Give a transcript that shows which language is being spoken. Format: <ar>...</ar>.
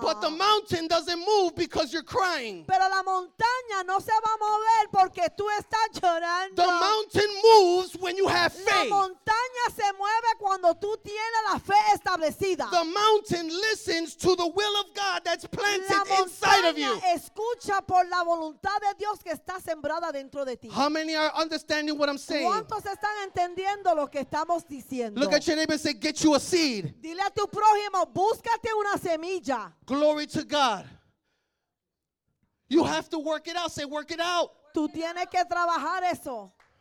<en>But the mountain doesn't move because you're crying.</en> <es>Pero la montaña no se va a mover porque tú estás llorando.</es> <en>The mountain moves when you have faith.</en> <es>La montaña se mueve cuando tú tienes la fe establecida.</es> <en>The mountain listens to the will of God that's planted inside of you.</en> <es>La montaña escucha por la voluntad de Dios que está sembrada dentro de ti.</es> <en>How many are understanding what I'm saying?</en> <es>¿Cuántos están entendiendo lo que estamos diciendo?</es> <en>Look at your neighbor and say, get you a seed.</en> <es>Dile a tu prójimo, búscate una semilla.</es> <en>Glory to God. You have to work it out. Say, work it out.</en> <es>Tú tienes que trabajar eso.</es>